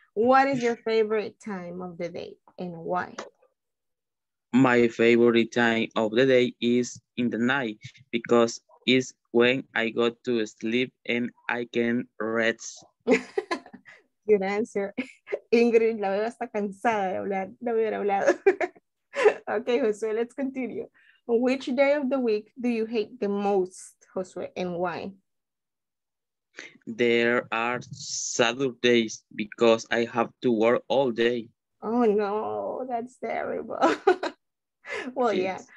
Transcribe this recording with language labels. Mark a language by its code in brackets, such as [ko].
[en] What is your favorite time of the day and why? My favorite time of the day is in the night because it's when I go to sleep and I can rest. Good answer. [es] Ingrid, la veo hasta cansada de hablar, de haber hablado. [en] Okay, Josué, let's continue. Which day of the week do you hate the most, Josué, and why? There are Saturdays because I have to work all day. Oh no, that's terrible. Well, yes. Yeah.